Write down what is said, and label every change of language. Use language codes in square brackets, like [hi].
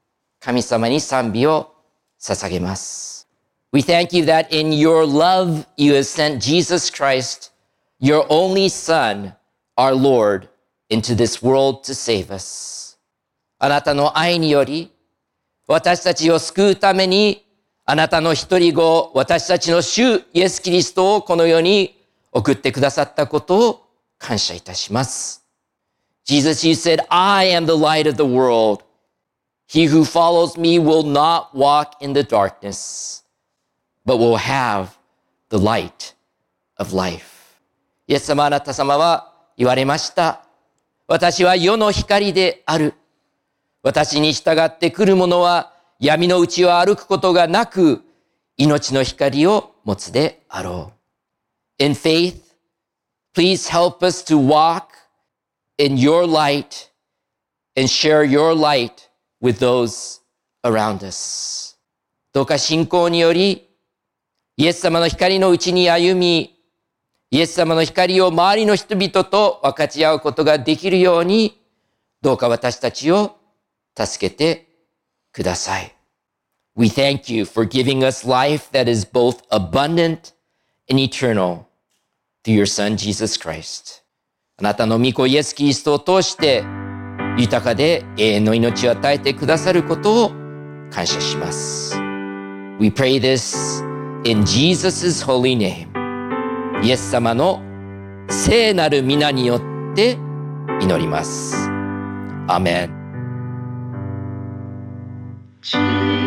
[ja] 私たちは実に神様に賛美を捧げます. [en] We thank you that in your love you have sent Jesus Christ, your only Son, our Lord, into this world to save us. [ja] あなたの愛により私たちを救うためにあなたの一人子私たちの主イエスキリストをこの世に送ってくださったことを感謝いたします. [en] Jesus, you said, I am the light of the world. He who follows me will not walk in the darkness, but will have the light of life. [ja] イエス様、あなた様は言われました。私は世の光である。私に従って来る者は闇の内を歩くことがなく、命の光を持つであろう。 [en] In faith, please help us to walk in your light and share your light with those around us. [ja] どうか信仰によりイエス様の光のうちに歩みイエス様の光を周りの人々と分かち合うことができるようにどうか私たちを助けてください。 [en] We thank you for giving us life that is both abundant and eternal through your Son Jesus Christ. [ja] あなたの御子イエス・キリストを通して豊かで永遠の命を与えてくださることを感謝します。 [en] We pray this in Jesus' holy name. [ja] イエス様の聖なる御名によって祈ります。アメン。